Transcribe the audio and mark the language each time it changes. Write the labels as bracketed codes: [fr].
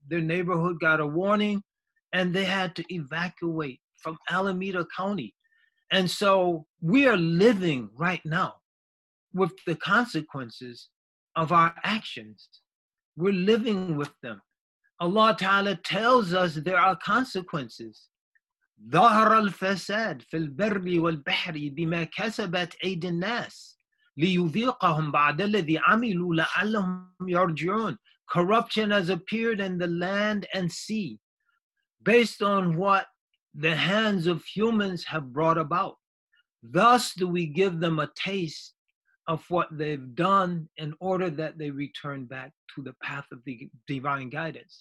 [en] Their neighborhood got a warning, and they had to evacuate from Alameda County. And so we are living right now with the consequences of our actions. We're living with them. Allah Ta'ala tells us there are consequences. [ar] ظهر الفساد في البر والبحر بما كسبت أيدي الناس ليذيقهم بعد الذي عملوا لعلهم يرجعون. [en] Corruption has appeared in the land and sea based on what the hands of humans have brought about. Thus do we give them a taste of what they've done in order that they return back to the path of the divine guidance.